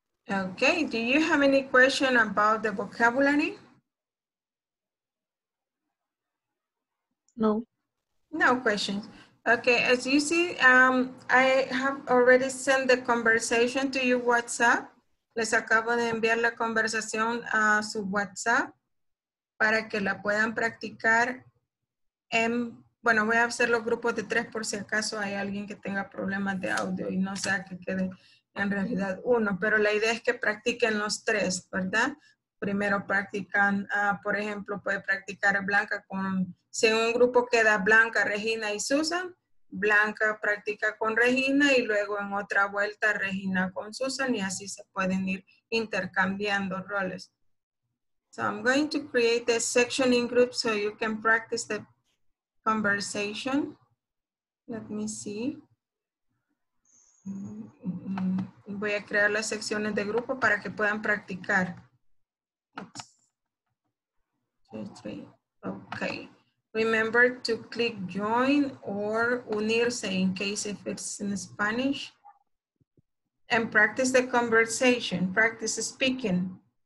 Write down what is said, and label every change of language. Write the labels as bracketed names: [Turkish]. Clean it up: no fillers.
[English] Okay, do you have any question about the vocabulary? No. No questions. Okay, as you see, I have already sent the conversation to your WhatsApp. [Spanish] Les acabo de enviar la conversación a su WhatsApp para que la puedan practicar. Bueno, voy a hacer los grupos de tres por si acaso hay alguien que tenga problemas de audio y no sea que quede en realidad uno. Pero la idea es que practiquen los tres, ¿verdad? Primero practican, por ejemplo, puede practicar Blanca con, si en un grupo queda Blanca, Regina y Susan, Blanca practica con Regina y luego en otra vuelta Regina con Susan y así se pueden ir intercambiando roles. [English] So I'm going to create a section in group so you can practice the conversation. Let me see. [Spanish] Voy a crear las secciones de grupo para que puedan practicar. [English] Okay, remember to click join or unirse in case if it's in Spanish and practice the conversation, practice speaking.